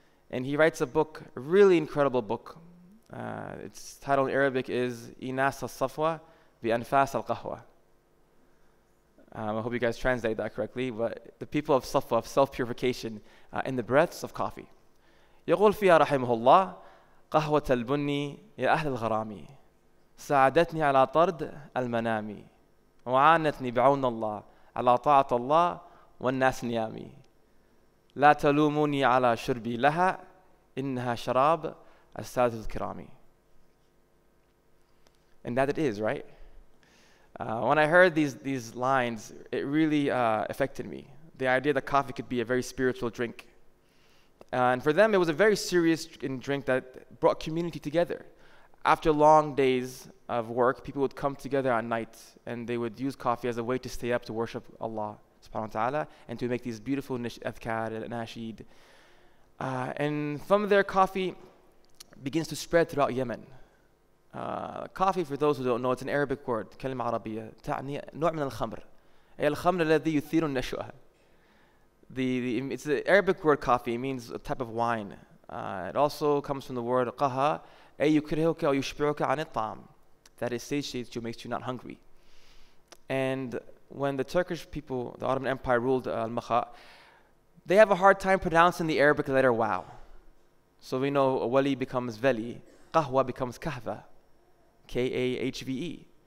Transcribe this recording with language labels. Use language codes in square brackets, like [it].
[en] And he writes a book, a really incredible book. Its title in Arabic is Inas al-Safwa bi Anfas al-Qahwa. I hope you guys translated that correctly, but the people of Safwa, of self-purification, in the breaths of coffee. [ar] يقول فيها رحمه الله قهوة البني يا أهل الغرامي ساعدتني على طرد المنامي وعانتني بعون الله على طاعة الله والناس نيامي لا تلوموني على شربي لها إنها شراب أستاذ الكرامي. [en] And that it is, right? When I heard these lines, it really affected me. The idea that coffee could be a very spiritual drink. And for them, it was a very serious drink that brought community together. After long days of work, people would come together at night and they would use coffee as a way to stay up to worship Allah subhanahu wa ta'ala and to make these beautiful adhkar and nasheed. And from there, coffee begins to spread throughout Yemen. Coffee, for those who don't know, it's an Arabic word, [ar] كلمة عربية, تعني نوع من الخمر. أي الخمر الذي يثير النشوة. [en] It's the Arabic word coffee, it means a type of wine. It also comes from the word [ar] قها, أي يكرهك أو يشبعك عن الطعام. [en] That is, satiates you, makes you not hungry. And when the Turkish people, the Ottoman Empire, ruled Al-Makha, they have a hard time pronouncing the Arabic letter waw. So we know wali becomes veli, qahwa becomes kahva, K-A-H-V-E.